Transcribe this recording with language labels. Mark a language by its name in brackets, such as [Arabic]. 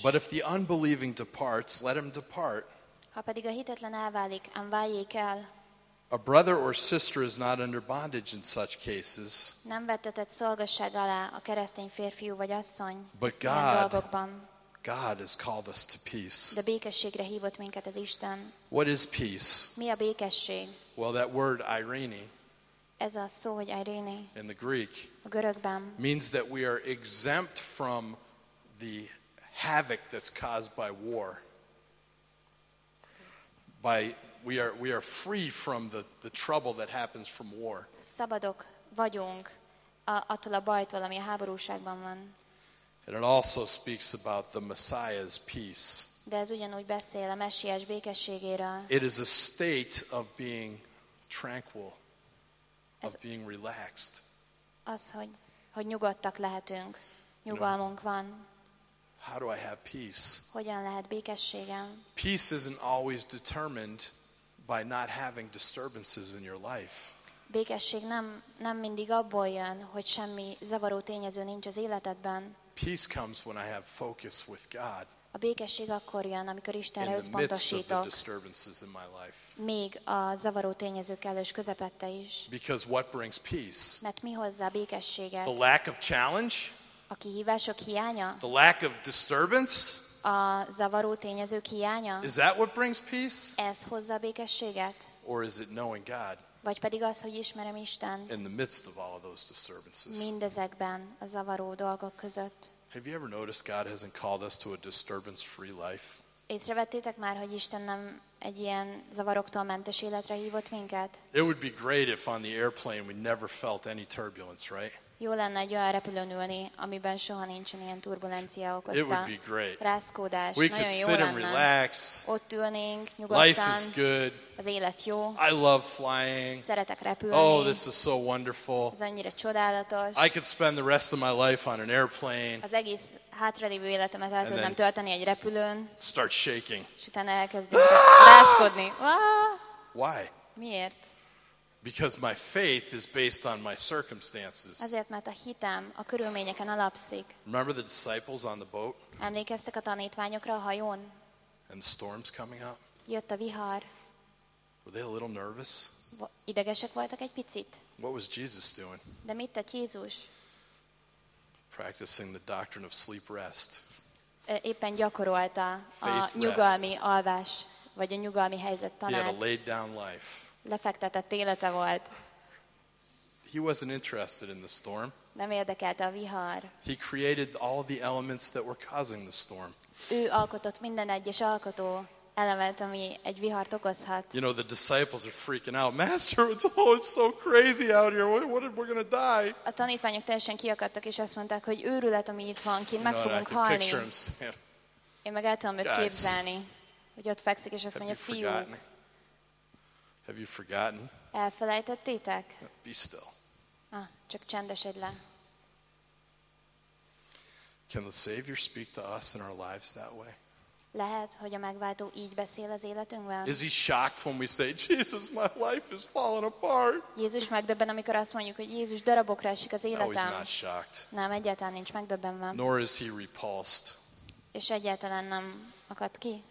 [English] But if the unbelieving departs, let him depart. [Hungarian] Ha pedig a hitetlen elválik, ám váljék el. [English] A brother or sister is not under bondage in such cases. [Hungarian] Nem vettetett szolgasság alá a keresztény férfiú vagy asszony. [English] But God has called us to peace. [Hungarian] De békességre hívott minket az Isten. [English] What is peace? [Hungarian] Mi a békesség? [English] Well, that word irene. [Hungarian] Ez a szó, hogy irene. [English] In the Greek. [Hungarian] A görögben. [English] Means that we are exempt from the havoc that's caused by war. We are free from the trouble that happens from war. [Hungarian] Szabadok vagyunk attól a bajtól, ami a háborúságban van. [English] And it also speaks about the Messiah's peace. [Hungarian] De ez ugyanúgy beszél a Messiás békességéről. [English] It is a state of being tranquil, of being relaxed. [Hungarian] Az, hogy nyugodtak lehetünk, nyugalmunk van. [English] How do I have peace? [Hungarian] Hogyan lehet békességem? [English] Peace isn't always determined by not having disturbances in your life. [Hungarian] Békesség nem mindig abból jön, hogy semmi zavaró tényező nincs az életedben. [English] Peace comes when I have focus with God. [Hungarian] A békesség akkor jön, amikor Istenre összpontosítok. Még a zavaró tényezők kellős közepette is. [English] Because what brings peace? [Hungarian] Mert mi hozza a békességet? [English] The lack of challenge? [Hungarian] A kihívások hiánya? [English] The lack of disturbance? [Hungarian] A zavaró tényezők hiánya? [English] Is that what brings peace? [Hungarian] Ez hozza a békességet? [English] Or is it knowing God? [Hungarian] Vagy pedig az, hogy ismerem Istent. [English] In the midst of all of those disturbances. [Hungarian] Mindezekben a zavaró dolgok között. [English] Have you ever noticed God hasn't called us to a disturbance-free life? [Hungarian] Észrevettétek már, hogy Isten nem egy ilyen zavaroktól mentes életre hívott minket? [English] It would be great if on the airplane we never felt any turbulence, right? [Hungarian] Jó lenne egy olyan repülőn ülni, amiben soha nincsen ilyen turbulencia okozta. [English] It would be great. [Hungarian] Rászkódás. [English] We could sit and relax. [Hungarian] Ott ülnénk, nyugodtan. [English] Life is good. [Hungarian] Az élet jó. [English] I love flying. [Hungarian] Szeretek repülni. [English] Oh, this is so wonderful. [Hungarian] Ez annyira csodálatos. [English] I could spend the rest of my life on an airplane. [Hungarian] Az egész hátralévő életemet el tudnám tölteni egy repülőn. [English] Start shaking. [Hungarian] És utána elkezdünk rászkodni. [English] Why? [Hungarian] Miért? [English] Because my faith is based on my circumstances. [Hungarian] Azért, mert a hitem a körülményeken alapszik. [English] Remember the disciples on the boat? [Hungarian] Emlékeztek a tanítványokra a hajón? [English] And the storm's coming up. [Hungarian] Jött a vihar. [English] Were they a little nervous? [Hungarian] Idegesek voltak egy picit. [English] What was Jesus doing? [Hungarian] De mit tett Jézus? [English] Practicing the doctrine of sleep rest. [Hungarian] Éppen gyakorolta a nyugalmi alvás, vagy a nyugalmi helyzet tanát. [English] He had a laid down life. [Hungarian] Lefektetett élete volt. [English] He wasn't interested in the storm. [Hungarian] Nem érdekelte a vihar. [English] He created all the elements that were causing the storm. [Hungarian] Ő alkotott minden egyes alkotó elemet, ami egy vihart okozhat. [English] You know, the disciples are freaking out. Master, it's so crazy out here. We're gonna die. [Hungarian] A tanítványok teljesen kiakadtak, és azt mondták, hogy őrület, ami itt van, kint meg fogunk halni. Én meg el tudom őt képzelni, hogy ott fekszik, és azt mondja, fiú. [English] Have you forgotten? [Hungarian] Elfelejtettétek? [English] Be still. [Hungarian] Ah, csak csendesedj le. [English] Can the Savior speak to us in our lives that way? [Hungarian] Lehet, hogy a megváltó így beszél az életünkben? [English] Is he shocked when we say, Jesus, my life is falling apart? [Hungarian] Jézus megdöbben, amikor azt mondjuk, hogy Jézus, darabokra esik az életem. [English] No, he's not shocked. [Hungarian] Nem, egyáltalán nincs megdöbbenve. [English] Nor is he repulsed. [Hungarian] És egyáltalán nem akad ki.